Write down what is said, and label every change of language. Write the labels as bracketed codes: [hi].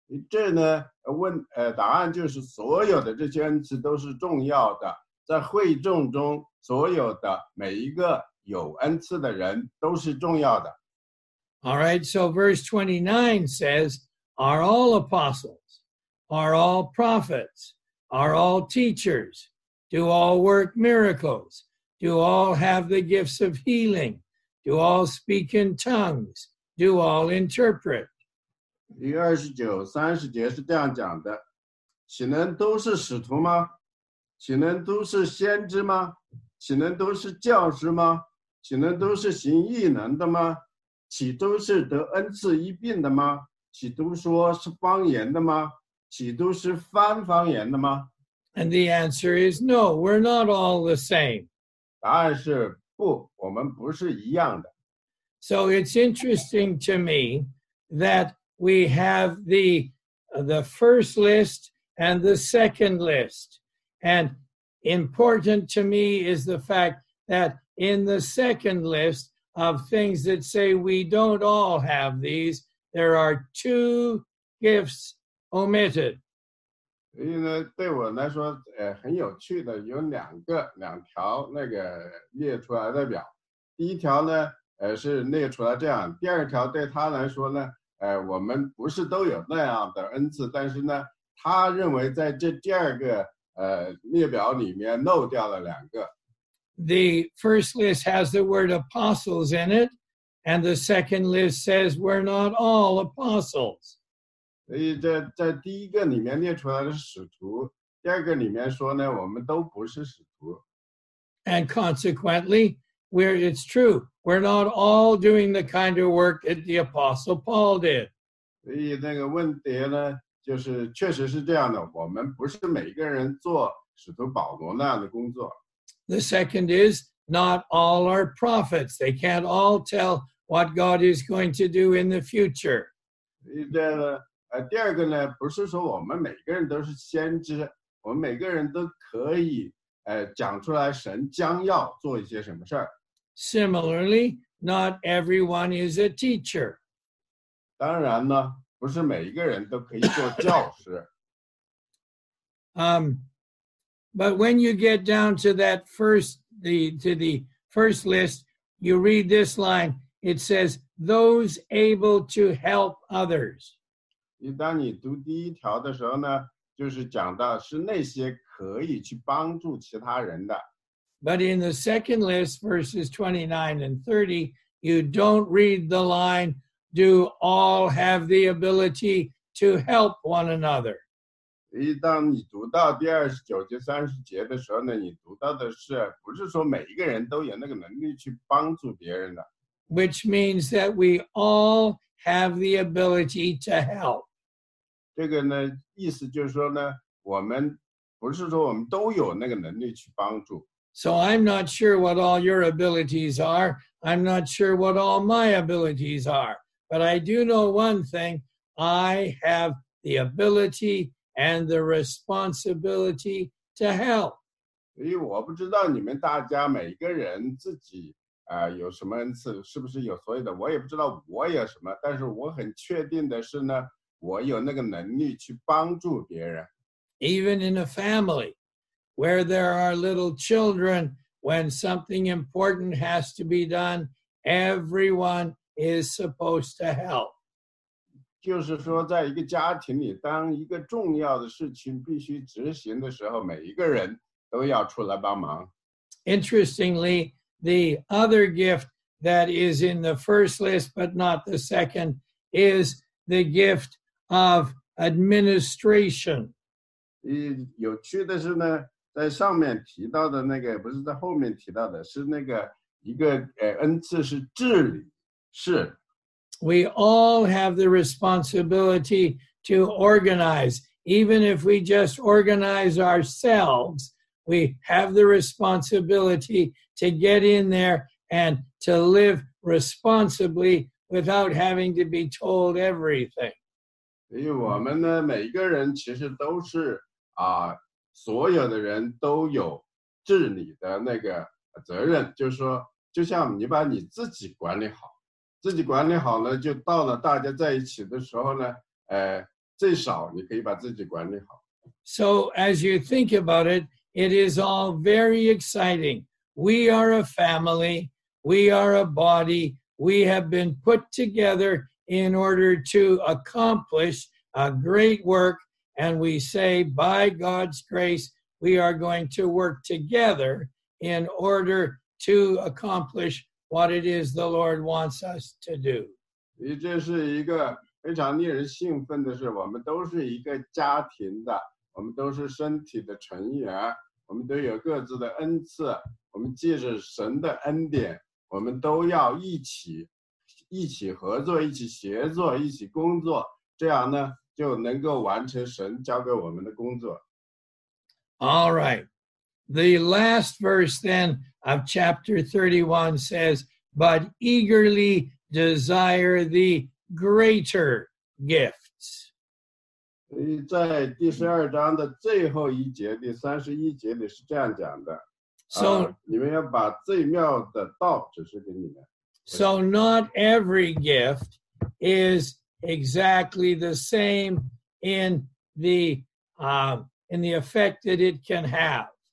[zh] 这呢，答案就是所有的这些恩赐都是重要的，在会众中所有的每一个有恩赐的人都是重要的。 [en] All right, so verse 29 says, are all apostles, are all prophets, are all teachers, do all work miracles, do all have the gifts of healing, do all speak in tongues, do all interpret. [zh] 29, 30节是这样讲的，岂能都是使徒吗？岂能都是先知吗？岂能都是教师吗？岂能都是行异能的吗？基督是得恩赐医病的吗？基督说是方言的吗？基督是翻方言的吗？ [en] And the answer is no, we're not all the same. [zh] 答案是不，我们不是一样的。 [en] So it's interesting to me that we have the first list and the second list. And important to me is the fact that in the second list of things that say we don't all have these, there are two gifts omitted. [zh] 所以呢，对我来说，很有趣的有两条那个列出来的表。第一条呢，是列出来这样。第二条对他来说呢，我们不是都有那样的恩赐，但是呢，他认为在这第二个列表里面漏掉了两个。 [en] The first list has the word apostles in it, and the second list says we're not all apostles. [zh] 所以在第一个里面列出来的是使徒，第二个里面说呢，我们都不是使徒。 [en] And consequently, it's true, we're not all doing the kind of work that the apostle Paul did. [zh] 所以那个问题呢，就是确实是这样的，我们不是每个人做使徒保罗那样的工作。 [en] The second is, not all are prophets. They can't all tell what God is going to do in the future. [zh] 第二个呢，不是说我们每个人都是先知，我们每个人都可以讲出来神将要做一些什么事。 [en] Similarly, not everyone is a teacher. [zh] 当然呢，不是每一个人都可以做教师。 [en] But when you get down to that first list, you read this line, it says, those able to help others. [zh] 当你读第一条的时候呢，就是讲到是那些可以去帮助其他人的。 [en] But in the second list, verses 29 and 30, you don't read the line, do all have the ability to help one another. [zh] 一当你读到第二十九节、三十节的时候呢，你读到的是不是说每一个人都有那个能力去帮助别人的 [en] ？Which means that we all have the ability to help. [zh] 这个呢，意思就是说呢，我们不是说我们都有那个能力去帮助。 [en] So I'm not sure what all your abilities are. I'm not sure what all my abilities are. But I do know one thing: I have the ability. And the responsibility to help. [zh] 所以我不知道你们大家每个人自己有什么恩赐，是不是有所有的？我也不知道我有什么，但是我很确定的是呢，我有那个能力去帮助别人。 [en] Even in a family where there are little children, when something important has to be done, everyone is supposed to help. [zh] 就是说在一个家庭里当一个重要的事情必须执行的时候每一个人都要出来帮忙。 [en] Interestingly, the other gift that is in the first list but not the second is the gift of administration. [zh] 有趣的是呢在上面提到的那个不是在后面提到的是那个一个恩赐是治理是。 [en] We all have the responsibility to organize. Even if we just organize ourselves, we have the responsibility to get in there and to live responsibly without having to be told everything. [zh] 所以我们呢，每一个人其实都是所有的人都有治理的那个责任，就是说，就像你把你自己管理好。自己管理好了，就到了大家在一起的时候呢，最少你可以把自己管理好。 [en] So as you think about it, it is all very exciting. We are a family, we are a body, we have been put together in order to accomplish a great work, and we say, by God's grace, we are going to work together in order to accomplish. What it is the Lord wants us to do. [zh] 这是一个非常令人兴奋的事。我们都是一个家庭的，我们都是身体的成员，我们都有各自的恩赐。我们借着神的恩典，我们都要一起一起合作，一起协作，一起工作，这样呢就能够完成神交给我们的工作。 [en] All right. The last verse then of chapter 31 says, but eagerly desire the greater gifts. [zh] 在第十二章的最后一节，第三十一节里是这样讲的。 [en] So, [zh] 你们要把最妙的道指示给你们。 [en] So not every gift is exactly the same in the effect that it can have.